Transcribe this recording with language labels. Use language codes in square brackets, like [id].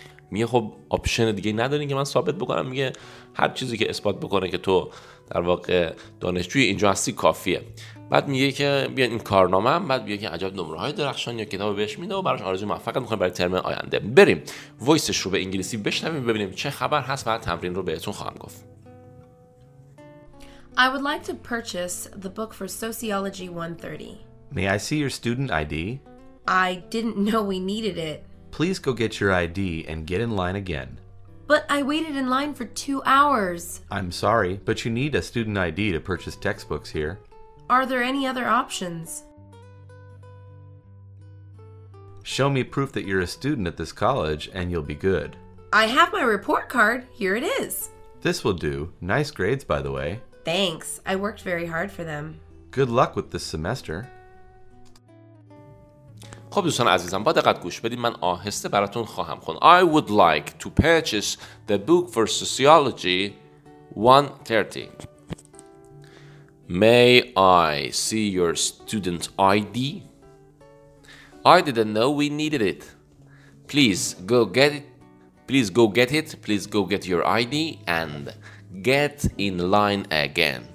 [fa] میگه خب آپشن دیگه نداری که من ثابت بکنم؟ میگه هر چیزی که اثبات بکنه که تو در واقع دانشجوی اینجا هستی کافیه. بعد میگه که بیان این کارنامه هم، بعد میگه که عجب نمره های درخشان یا کتاب بهش میده و براش آرزوی موفقیت میکنه برای ترم آینده. بریم وایسش رو به انگلیسی بشنویم ببینیم چه خبر هست و تمرین رو بهتون خواهم گفت. [en] I would like to purchase the book for Sociology 130. May I see your student ID? I didn't know we needed it. Please go get your ID and get in line again. But I waited in line for 2 hours. I'm sorry, but you need a student ID to purchase textbooks here. Are there any other options? Show me proof that you're a student at this college and you'll be good. I have my report card. Here it is. This will do. Nice grades, by the way. Thanks. I worked very hard for them. Good luck with this semester. [fa] خب دوستان عزیزم با دقت گوش بدید، من آهسته براتون خواهم خون. [en] I would like to purchase the book for sociology 130. May I see your student ID? I didn't know we needed it. Please go get your ID and get in line again.